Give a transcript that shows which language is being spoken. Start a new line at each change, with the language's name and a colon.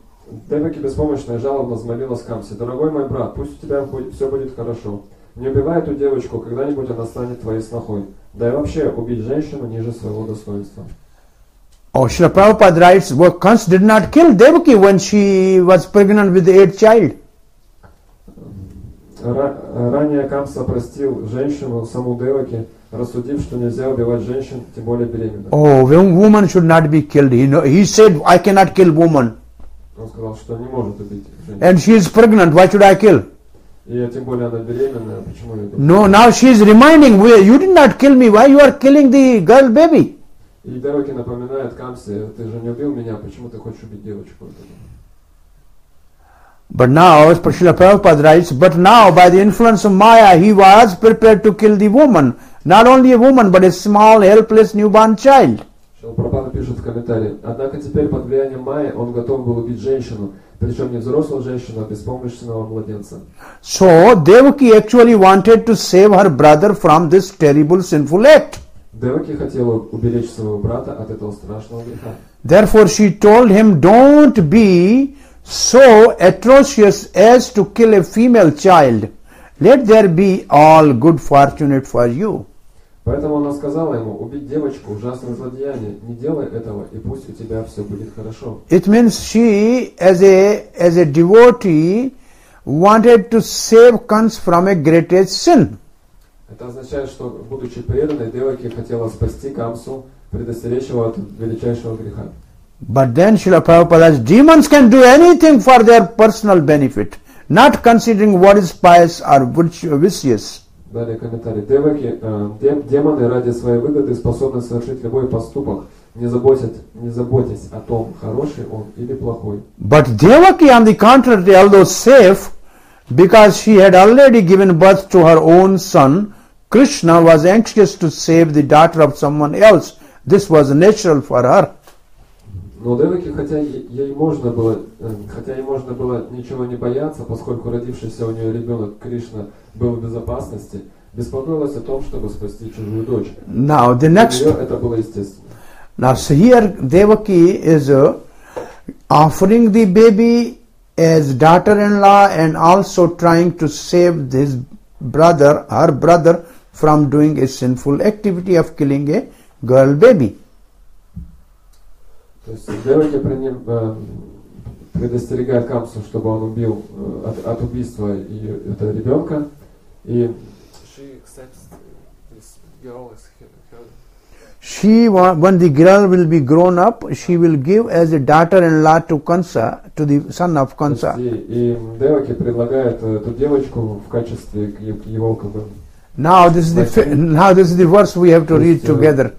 Russian: Деваки беспомощная жалобно взмолилась Камсе: «Дорогой мой брат, пусть у тебя все будет хорошо. Не убивай эту девочку, когда-нибудь она станет твоей снохой. Да и вообще, убить женщину ниже своего достоинства».
English: Шрила Прабхупада writes, well, Kansa did not kill Devaki when she was pregnant with the eighth child.
Russian: Ранее Камса простил женщину, саму Деваки, рассудив, что нельзя убивать женщин, тем более беременных.
English: Woman should not be killed. He said, I cannot kill woman.
Russian: Он сказал, что не может убить женщину.
English: And she is pregnant, why should I kill?
Russian: И тем более она беременная, почему я
English: No, now she is reminding, you did not kill me, why you are killing the girl baby?
Russian: И Деваки напоминает Камсе: ты же не убил меня, почему ты хочешь убить девочку?
English: But now, as Prashila Prabhupada writes, but now, by the influence of Maya, he was prepared to kill the woman. Not only a woman, but a small, helpless, newborn child.
Russian: Прабхупада пишет в комментарии: однако теперь под влиянием Майи он готов был убить женщину, причем не взрослую женщину, а беспомощного младенца.
English: So Devaki actually wanted to save her brother from this terrible sinful act.
Russian: Деваки хотела уберечь своего брата от этого страшного греха.
English: Therefore she told him, don't be so atrocious as to kill a female child. Let there be all good fortune for you.
Russian: Поэтому она сказала ему: убить девочку — ужасное злодеяние. Не делай этого, и пусть у тебя все будет хорошо.
English: It means she, as a devotee, wanted to save Kansa from a greatest sin.
Russian: Это означает, что, будучи преданной, Деваки хотела спасти Камсу, предостеречь его от величайшего греха.
English: But then Srila Prabhupada says, demons can do anything for their personal benefit, not considering what is pious or vicious.
Russian: Далее комментарий. Демоны ради своей выгоды способны совершить любой поступок, не заботясь о том, хороший он или плохой.
English: But Devaki, on the contrary, although safe, because she had already given birth to her own son, Krishna was anxious to save the daughter of someone else. This was natural for her.
Russian: Но Деваки, хотя ей можно было ничего не бояться, поскольку родившийся у нее ребенок Кришна был в безопасности, беспокоилась о том, чтобы спасти чужую дочь.
English: Now the next.
Russian: Для нее это было естественно.
English: Now so here Devaki is offering the baby as daughter-in-law and also trying to save this brother, her brother, from doing a sinful activity of killing a girl baby.
Russian: То есть Деваки предостерегает Камсу, чтобы он убил от убийства этого ребенка. И
English: she accepts this girl as her. She, when the girl will be grown up, she will give as a daughter-in-law to Kansa, to the son of Kansa.
Russian: И Деваки предлагает эту девочку в качестве его
English: Now this is the verse we have to read together.